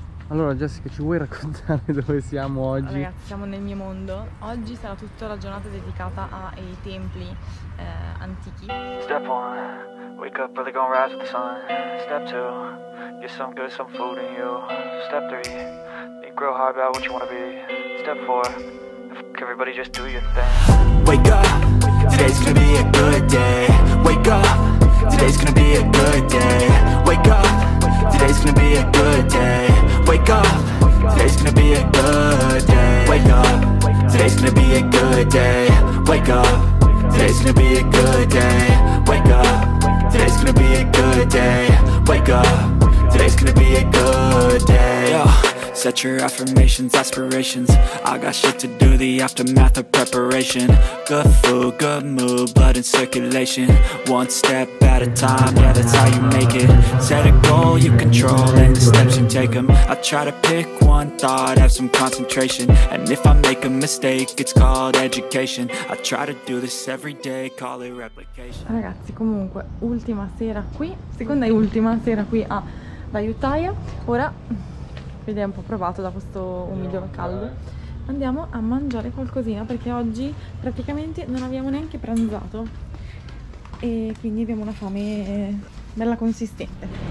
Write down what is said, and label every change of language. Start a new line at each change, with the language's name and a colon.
Italian: Allora Jessica, ci vuoi raccontare dove siamo oggi? Ragazzi, siamo nel mio mondo. Oggi sarà tutta la giornata dedicata ai templi antichi.
English: Step 1, wake up early, gonna rise with the sun. Step 2, get some good, some food in you. Step 3, think real hard about what you wanna be. Step 4, fuck everybody, just do your thing. Wake up, today's gonna be a good day. Wake up, today's gonna be a good day. Wake up, today's gonna be a good day. Wake up, today's gonna be a good day. Wake up, today's gonna be a good day. Wake up, today's gonna be a good day. Wake up, today's gonna be a good day. Wake up, today's gonna be a good day. Set your affirmations, aspirations. I got shit to do, the aftermath of preparation. Good food, good mood, blood in circulation. One step at a time, yeah, that's how you make it. Set a goal you control and the steps you take them. I try to pick one thought, have some concentration. And if I make a mistake, it's called education. I try to do this every day, call it replication.
Italian: Ragazzi, comunque, ultima sera qui. Seconda e ultima sera qui a Ayutthaya. Ora... ed è un po' provato da questo umido caldo. Andiamo a mangiare qualcosina, perché oggi praticamente non abbiamo neanche pranzato e quindi abbiamo una fame bella consistente.